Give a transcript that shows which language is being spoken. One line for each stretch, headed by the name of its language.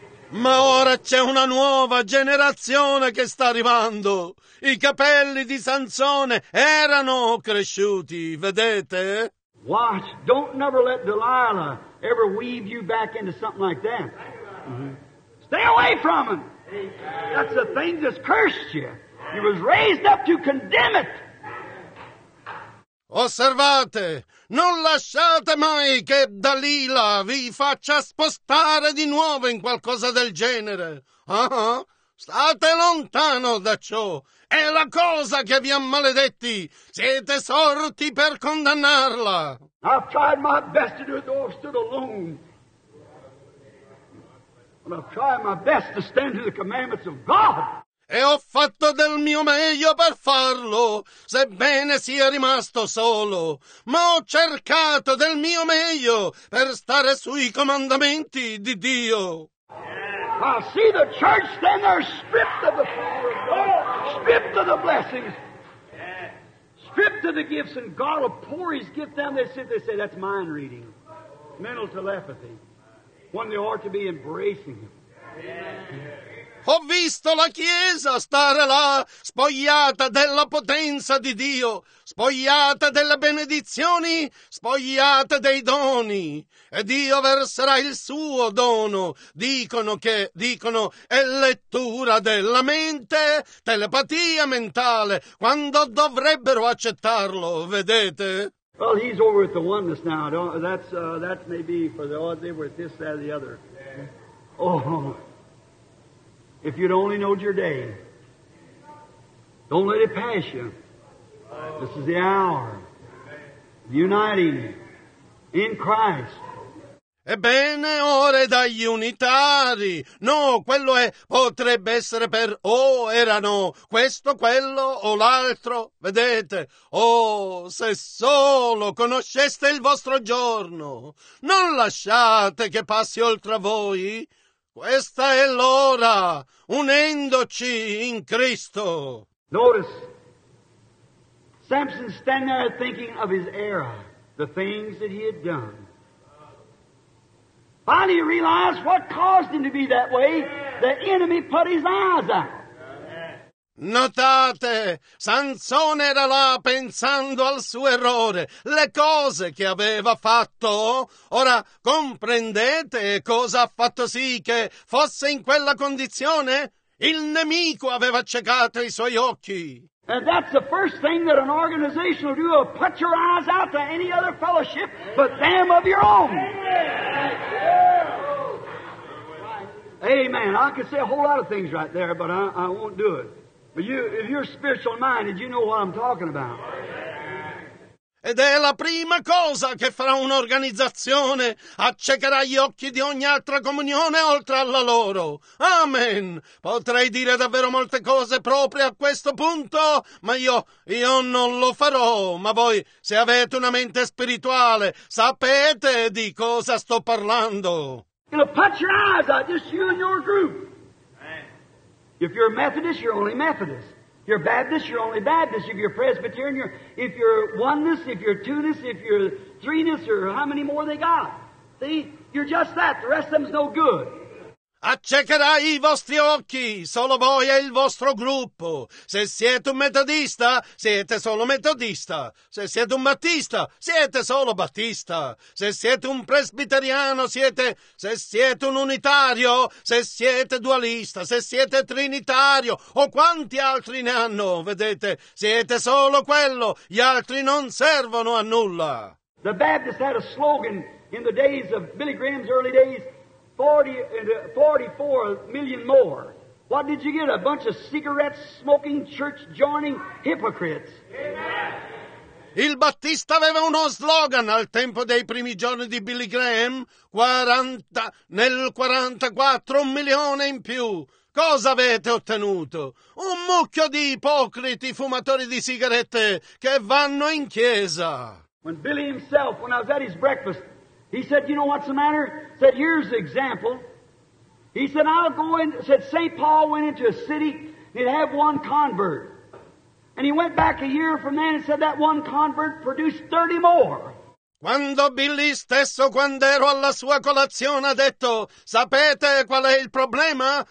Italian: Ma ora c'è una nuova generazione che sta arrivando. I capelli di Sansone erano cresciuti, vedete?
English: Watch, don't never let Delilah ever weave you back into something like that. Mm-hmm. Stay away from him! That's the thing that's cursed you. He was raised up to condemn it.
Italian: Osservate, non lasciate mai che Dalila vi faccia spostare di nuovo in qualcosa del genere. State lontano da ciò. È la cosa che vi ha maledetti. Siete sorti per condannarla.
English: I've tried my best to do it, though I've stood alone. And I've tried my best to stand to the commandments of God.
Italian: E ho fatto del mio meglio per farlo, sebbene sia rimasto solo. Ma ho cercato del mio meglio per stare sui comandamenti di Dio.
English: I see the church stand there stripped of the power, stripped of the blessings, stripped of the gifts, and God will pour his gift down. They say, that's mind reading, mental telepathy, when they ought to be embracing him.
Italian: Ho visto la Chiesa stare là, spogliata della potenza di Dio, spogliata delle benedizioni, spogliata dei doni. E Dio verserà il suo dono. Dicono, è lettura della mente, telepatia mentale, quando dovrebbero accettarlo, vedete?
English: Well, he's over at the oneness now. That may be for the odd, they were at this, that, or the other. Oh, if you'd only known your day, don't let it pass you. This is the hour. Uniting in Christ.
Italian: Ebbene, ora è dagli unitari. No, quello è potrebbe essere per o erano questo, quello o l'altro. Vedete? Oh, se solo conosceste il vostro giorno, non lasciate che passi oltre voi. Questa è l'ora, unendoci in Cristo.
English: Notice, Samson stand there thinking of his era, the things that he had done. Finally he realized what caused him to be that way. The enemy put his eyes out.
Italian: Notate, Sansone era là pensando al suo errore, le cose che aveva fatto. Ora comprendete cosa ha fatto sì che fosse in quella condizione? Il nemico aveva accecato i suoi occhi.
English: And that's the first thing that an organization will do, will put your eyes out to any other fellowship but them of your own. Amen. I could say a whole lot of things right there, but I won't do it. But you, if you're spiritual minded, you know what I'm talking about.
Italian: Ed è la prima cosa che farà un'organizzazione. Accecherà gli occhi di ogni altra comunione oltre alla loro. Amen. Potrei dire davvero molte cose proprio a questo punto, ma io non lo farò. Ma voi, se avete una mente spirituale, sapete di cosa sto parlando.
English: It'll put your eyes out, just you and your group. If you're a Methodist, you're only Methodist. If you're Baptist, you're only Baptist. If you're Presbyterian, if you're oneness, if you're two-ness, if you're three-ness, or how many more they got. See? You're just that. The rest of them's no good.
Italian: Accecherà i vostri occhi, solo voi e il vostro gruppo. Se siete un metodista, siete solo metodista. Se siete un battista, siete solo battista. Se siete un presbiteriano, se siete un unitario, se siete dualista, se siete trinitario, o quanti altri ne hanno, vedete, siete solo quello, gli altri non servono a nulla.
English: The Baptist had a slogan in the days of Billy Graham's early days, 44 million more. What did you get? A bunch of cigarette smoking church joining hypocrites.
Italian: Il Battista aveva uno slogan al tempo dei primi giorni di Billy Graham. Nel 44 un milione in più. Cosa avete ottenuto? Un mucchio di ipocriti fumatori di sigarette che vanno in chiesa.
English: When Billy himself, when I was at his breakfast, he said, you know what's the matter? He said, here's the example. He said, I'll go in. He said, St. Paul went into a city and he'd have one convert. And he went back a year from then and said that one convert produced 30 more.
Italian: Quando Billy stesso, quando ero alla sua colazione, ha detto, sapete qual è il problema?